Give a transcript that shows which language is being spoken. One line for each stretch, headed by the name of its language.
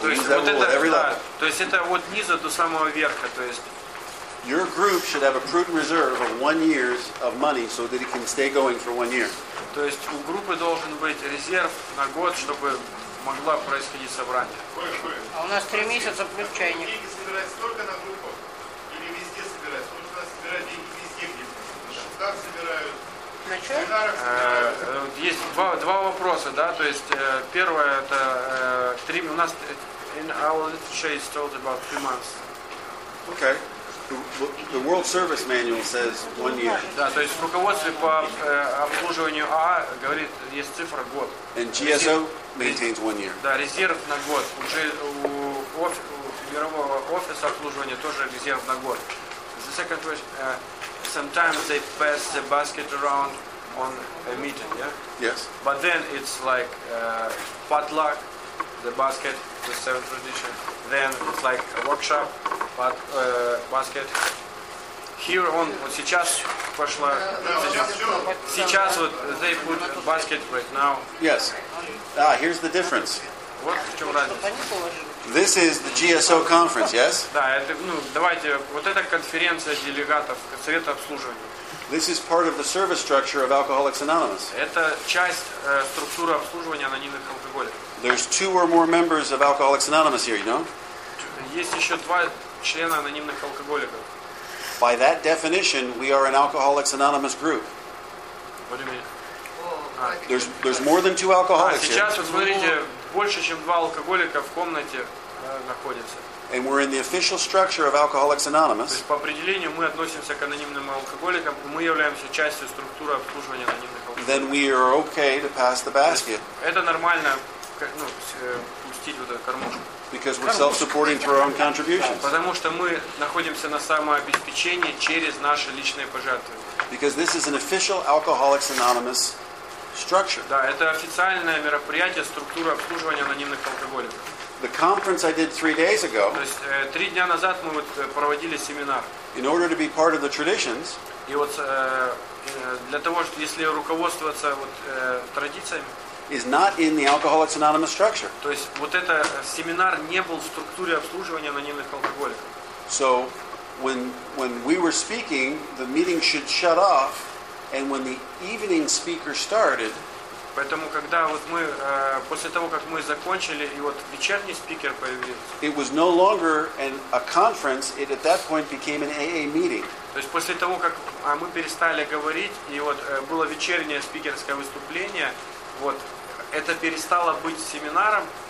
Russian: То есть вот это, да, то есть это вот низа до самого верха. То есть
English: your group should have a prudent reserve of 1 year's of money so that it can stay going for 1 year.
Russian: То есть у группы должен быть резерв на год, чтобы могла происходить собрание. А у нас 3 месяца плюс чайник. Деньги собирать только на группах или везде собирать? Потому что у нас собирают деньги везде. Там собирают. На что? Есть два вопроса, да. То есть первое это три. У нас
English: in our literature is told about 3 months. Okay. The World Service Manual says 1 year.
Russian: Да, то есть в руководстве по обслуживанию АА говорит, есть цифра год.
English: And GSO maintains 1 year.
Russian: Да, резерв на год. Уже у мирового офиса обслуживания тоже резерв на год.
English: The second question, sometimes they pass the basket around on a meeting, yeah? Yes. But then it's like potluck, the basket, the seventh tradition. Then it's like a workshop. But basket here on
Russian: вот сейчас пошла сейчас вот
English: they put basket right now. Yes. Ah, here's the difference.
Russian: Вот в чем разница.
English: This is the GSO conference, yes?
Russian: Да, это, ну, давайте, вот это конференция делегатов Совета обслуживания.
English: This is part of the service structure of Alcoholics Anonymous.
Russian: Это часть структуры обслуживания анонимных алкоголиков.
English: There's two or more members of Alcoholics Anonymous here, you know?
Russian: Есть еще два члена анонимных алкоголиков.
English: By that definition, we are an Alcoholics Anonymous group. What do you mean? There's more than two alcoholics
Russian: сейчас,
English: here.
Russian: Сейчас, вот смотрите, больше, чем два алкоголика в комнате находятся.
English: And we're in the official structure of Alcoholics Anonymous.
Russian: То есть, по определению, мы относимся к анонимным алкоголикам, мы являемся частью структуры обслуживания анонимных алкоголиков.
English: Then we are okay to pass the basket.
Russian: Это нормально, ну, пустить вот эту кормушку.
English: Because we're self-supporting through our own contributions.
Russian: Потому что мы находимся на самообеспечении через наши личные пожертвования.
English: Because this is an official Alcoholics Anonymous structure.
Russian: Да, это официальное мероприятие структуры обслуживания анонимных алкоголиков.
English: The conference I did 3 days ago.
Russian: То есть 3 дня назад мы вот проводили семинар.
English: In order to be part of the traditions.
Russian: И вот для того, что если руководствоваться вот традициями.
English: Is not in the Alcoholics Anonymous structure.
Russian: То есть вот это семинар не был в структуре обслуживания анонимных алкоголиков.
English: So when we were speaking, the meeting should shut off, and when the evening speaker started.
Russian: Поэтому когда вот мы после того как мы закончили и вот вечерний спикер появился.
English: It was no longer a conference. It at that point became an AA meeting.
Russian: То есть после того как мы перестали говорить и вот было вечернее спикерское выступление. Вот это перестало быть семинаром.